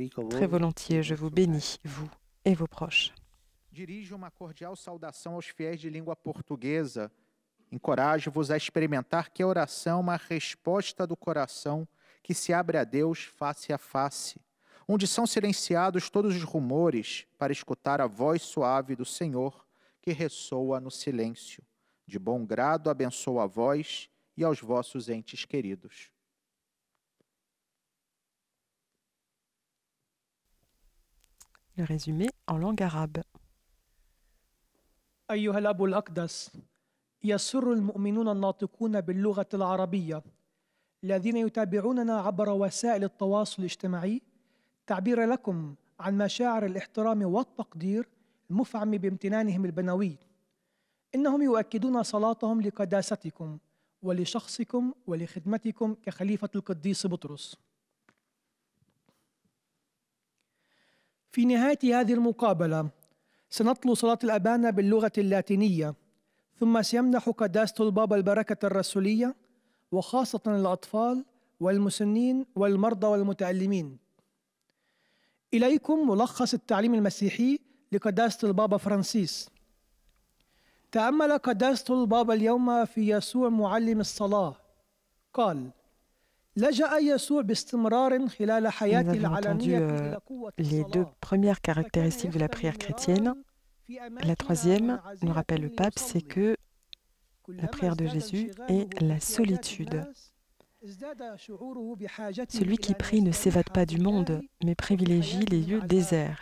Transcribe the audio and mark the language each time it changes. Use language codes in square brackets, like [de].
[fr] Très volontiers, je vous bénis, vous et vos proches. [pt] Dirijo uma cordial saudação aos fiéis de língua portuguesa. Encorajo-vos a experimentar que a oração é uma resposta do coração que se abre a Deus face a face, onde são silenciados todos os rumores para escutar a voz suave do Senhor que ressoa no silêncio. De bom grado abençoo a vós e aos vossos entes queridos. [fr] Le résumé en langue arabe. [ar] أيها الأب الأقدس يسر المؤمنون الناطقون باللغة العربية الذين يتابعوننا عبر وسائل التواصل الاجتماعي تعبير لكم عن مشاعر الاحترام والتقدير المفعم بامتنانهم البنوي إنهم يؤكدون صلاتهم لقداستكم ولشخصكم ولخدمتكم كخليفة القديس بطرس في نهاية هذه المقابلة سنطلو صلاة الأبانة باللغة اللاتينية ثم سيمنح قداسة البابا البركة الرسولية وخاصة الأطفال والمسنين والمرضى والمتألمين إليكم ملخص التعليم المسيحي لقداسة البابا فرانسيس تأمل قداسة البابا اليوم في يسوع معلم الصلاة قال لجأ يسوع باستمرار خلال حياته العلنية إلى قوة الصلاة [fr] La troisième, nous rappelle le pape, c'est que la prière de Jésus est la solitude. Celui qui prie ne s'évade pas du monde, mais privilégie les lieux déserts.